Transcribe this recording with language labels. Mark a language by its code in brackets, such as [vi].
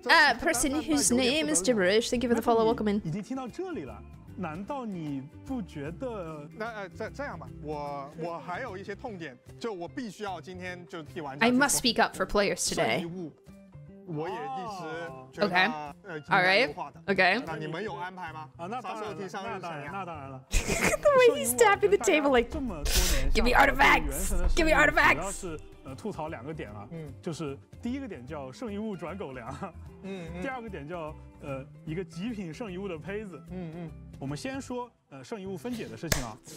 [en] A person whose name is Gibberish, thank you for the follow, welcome in. [zh] 难道你不觉得那这样吧我还有一些痛点就我必须要今天就替玩家 [en] I must speak up for players today [zh] 我也一直觉得 [en] OK alright OK [zh] 那你们有安排吗那当然了那当然了 [en] The way he's tapping the table like Give me artifacts Give me artifacts [zh] 主要是吐槽两个点啊就是第一个点叫圣遗物转狗粮第二个点叫一个极品圣遗物的胚子我们先说圣遗物分解的事情啊。